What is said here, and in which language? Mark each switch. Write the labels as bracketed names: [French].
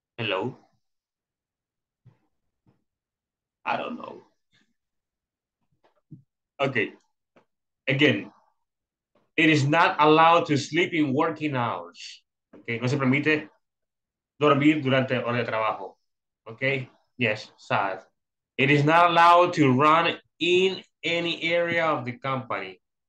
[English] Hello. I don't know. Okay. Again, it is not allowed to sleep in working hours. Okay. [Spanish] No se permite dormir durante hora de trabajo. [English] Okay. Yes. Sad. It is not allowed to run in any area of the company.